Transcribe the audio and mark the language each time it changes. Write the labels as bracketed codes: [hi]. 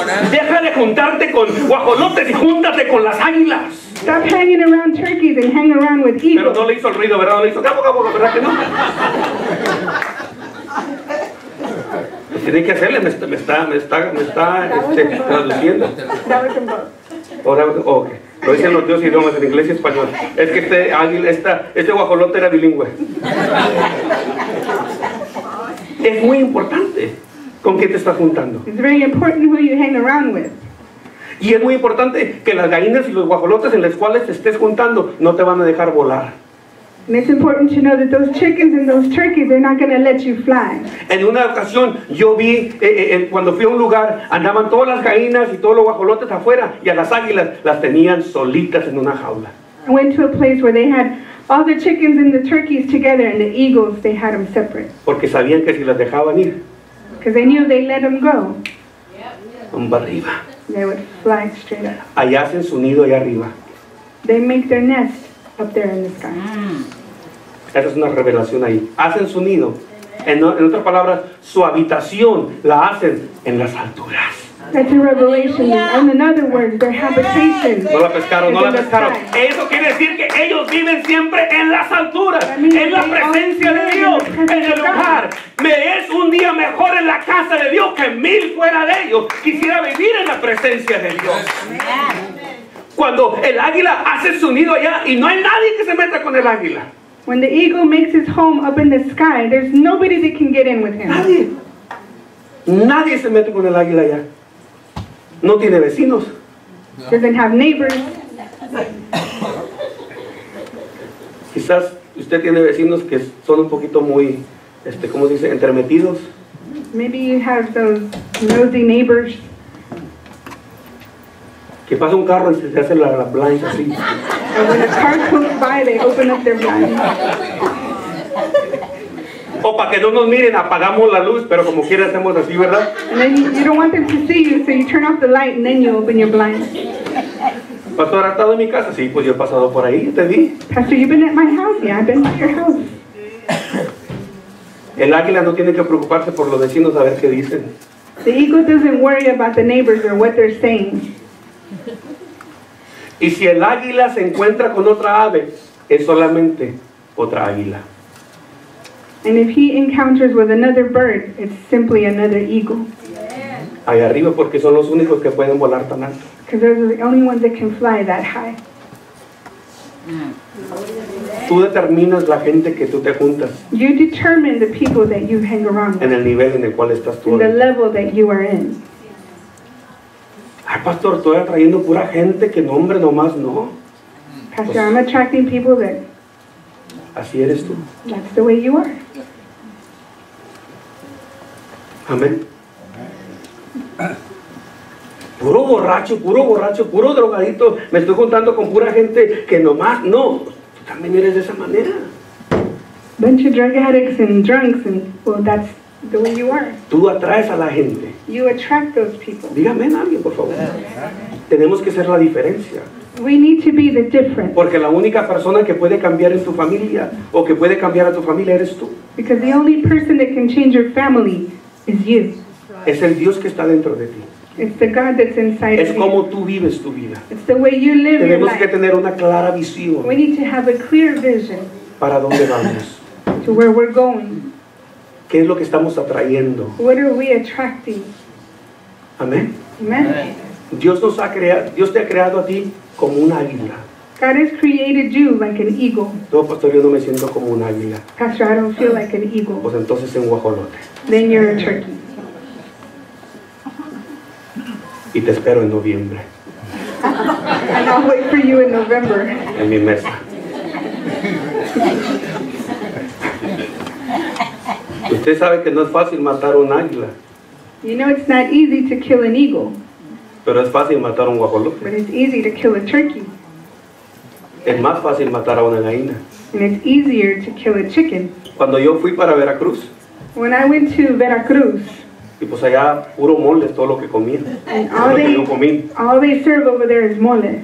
[es] Deja de juntarte con guajolotes y júntate con las águilas. [en] Stop hanging around turkeys and hang around with eagles. [es] Pero no le hizo el ruido, ¿verdad? No le hizo gabo, gabo, ¿verdad que no? Tiene que hacerle, me está traduciendo. [en] That was important. Okay. [es] Lo dicen los dos idiomas, en inglés y español. Es que este águila, este guajolote era bilingüe. Es muy importante con quién te estás juntando. [en] It's very important who you hang around with. [es] Y es muy importante que las gallinas y los guajolotes en los cuales te estés juntando no te van a dejar volar. [en] And it's important to know that those chickens and those turkeys, they're not going to let you fly. [es] En una ocasión, yo vi, cuando fui a un lugar, andaban todas las gallinas y todos los guajolotes afuera, y a las águilas las tenían solitas en una jaula. [en] I went to a place where they had all the chickens and the turkeys together, and the eagles, they had them separate. [es] Porque sabían que si las dejaban ir. [en] Because they knew they let them go. [es] Umba arriba. [en] They would fly straight up. [es] Allá hacen su nido allá arriba. [en] They make their nest. Up there in the sky. [es] Esa es una revelación ahí. Hacen su nido. En otras palabras, su habitación la hacen en las alturas. [en] That's a revelation. In another word, their habitation. [es] No la pescaron, no la pescaron. Eso quiere decir que ellos viven siempre en las alturas, en la presencia de Dios, en el hogar. Me es un día mejor en la casa de Dios que mil fuera de ellos. Quisiera vivir en la presencia de Dios. Cuando el águila hace su nido allá y no hay nadie que se meta con el águila. [en] When the eagle makes his home up in the sky, there's nobody that can get in with him. [es] Nadie se mete con el águila allá. No tiene vecinos. No. [en] Doesn't have neighbors. [es] Quizás usted tiene vecinos que son un poquito muy, ¿cómo se dice? Entremetidos. [en] Maybe you have those nosy neighbors. [es] Que pasa un carro y se hace la blind así. [en] And when a car comes by, they open up their blind. [es] O para que no nos miren, apagamos la luz, pero como quiera hacemos así, ¿verdad? [en] And then you don't want them to see you, so you turn off the light and then you open your blind. [es] Pastor, ¿ha estado en mi casa? Sí, pues yo he pasado por ahí, te vi. [en] Pastor, you've been at my house? Yeah, I've been at your house. [es] El águila no tiene que preocuparse por los vecinos a ver qué dicen. [en] The eagle doesn't worry about the neighbors or what they're saying. [es] Y si el águila se encuentra con otra ave, es solamente otra águila. [en] And if he encounters with another bird, it's simply another eagle. Yeah. [es] Ahí arriba, porque son los únicos que pueden volar tan alto. [en] Because they're the only ones that can fly that high. [es] Tú determinas la gente que tú te juntas. [en] You determine the people that you hang around with. [es] En el nivel en el cual estás tú. [en] In the level that you are in. [es] Ay, pastor, estoy atrayendo pura gente que nombre nomás, ¿no? [en] Pastor, pues, I'm attracting people that... [es] Así eres tú. [en] That's the way you are. [es] Amén. Puro borracho, puro drogadito. Me estoy juntando con pura gente que nomás, no. Tú también eres de esa manera. [en] Bunch of drug addicts and drunks and... Well, that's... The way you are. [es] Tú atraes a la gente. [en] You attract those people. [es] Dígame a alguien, por favor. Yeah. Tenemos que ser la diferencia. [en] We need to be the difference. [es] Porque la única persona que puede cambiar es tu familia, o que puede cambiar a tu familia eres tú. [en] Because the only person that can change your family is you. [es] Es el Dios que está dentro de ti. [en] It's the God that's inside [es] es como tú vives tu vida. [en] It's the way you live [es] tenemos [en] your life. [es] Que tener una clara visión. [en] We need to have a clear vision. [es] Para dónde vamos. [en] To where we're going. [es] ¿Qué es lo que estamos atrayendo? [en] What are we attracting? [es] Amén. [en] Amen. [es] Dios nos ha creado, Dios te ha creado a ti como un águila. [en] God has created you like an eagle. [es] No, pastor, yo no me siento como un águila. [en] Pastor, I don't feel like an eagle. [es] Pues entonces en guajolote. [en] Then you're a turkey. [es] Y te espero en noviembre. [en] And I'll wait for you in November. [es] En mi mesa. Usted sabe que no es fácil matar un águila. [en] You know it's not easy to kill an eagle. [es] Pero es fácil matar un guajolote. [en] But it's easy to kill a turkey. [es] Es más fácil matar a una gallina. [en] And it's easier to kill a chicken. [es] Cuando yo fui para Veracruz. [en] When I went to Veracruz. [es] Y pues allá puro mole es todo lo que comí. [en] And all they serve over there is mole.